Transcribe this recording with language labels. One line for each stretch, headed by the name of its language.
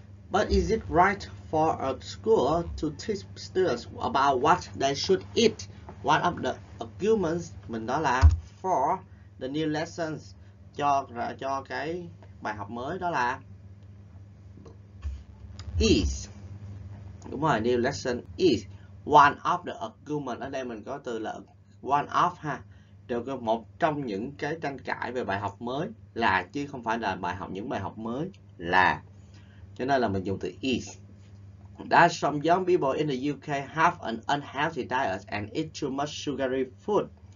English: But is it right for a school to teach students about what they should eat? One of the arguments
Vietnamese: mình đó là
English: for the new lessons,
Vietnamese: cho cái bài học mới đó là
English: is.
Vietnamese: Đúng rồi,
English: new lesson is one of the arguments.
Vietnamese: Ở đây mình có từ là one of ha. Đều có một trong những cái tranh cãi về bài học mới là, chứ không phải là bài học, những bài học mới là. Cho nên là mình dùng từ is.
English: That some young people in the UK have an unhealthy diet and eat too much sugary food.